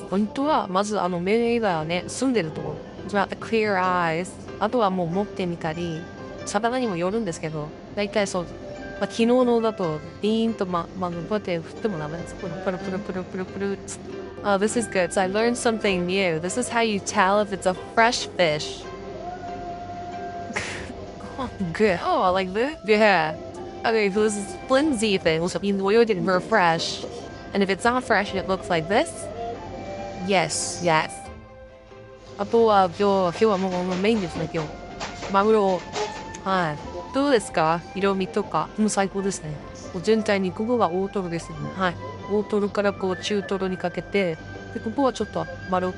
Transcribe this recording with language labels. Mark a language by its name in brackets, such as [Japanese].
[Japanese] か？ポイントは、まず目以外はね、澄んでると思う。 [English] It's about the clear eyes. [Japanese] あとはもう持ってみたり、魚にもよるんですけど、だいたいそう。まあ、昨日のだと、ビーンとまこうやって振ってもダメです。プルプルプルプルプルプルって。 [English] Oh, this is good. So I learned something new. This is how you tell if it's a fresh fish. Good. Oh, like this? Yeah. Okay, so this is flimsy thing. So it means we already didn't refresh. And if it's not fresh, it looks like this? Yes. Yes. [Japanese] あとは今日はメインですね、今日。マグロ。はい。どうですか？色味とか。もう最高ですね。全体にここが大トロですね。はい。大トロからこう中トロにかけて、でここはちょっと丸、